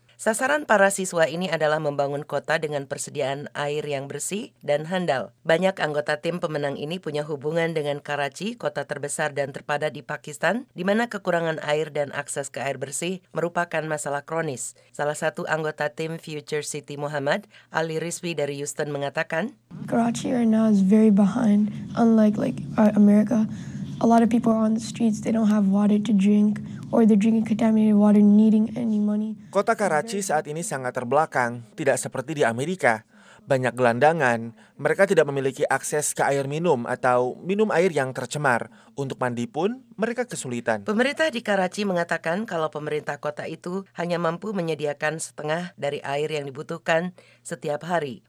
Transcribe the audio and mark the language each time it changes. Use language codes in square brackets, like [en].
[id] Sasaran para siswa ini adalah membangun kota dengan persediaan air yang bersih dan handal. Banyak anggota tim pemenang ini punya hubungan dengan Karachi, kota terbesar dan terpadat di Pakistan, di mana kekurangan air dan akses ke air bersih merupakan masalah kronis. Salah satu anggota tim Future City Muhammad, Ali Rizvi dari Houston, mengatakan, [en] "Karachi right now is very behind, unlike like America. A lot of people are on the streets, they don't have water to drink, or they're drinking contaminated water, needing any money." [id] Kota Karachi saat ini sangat terbelakang, tidak seperti di Amerika. Banyak gelandangan, mereka tidak memiliki akses ke air minum atau minum air yang tercemar. Untuk mandi pun, mereka kesulitan. Pemerintah di Karachi mengatakan kalau pemerintah kota itu hanya mampu menyediakan setengah dari air yang dibutuhkan setiap hari.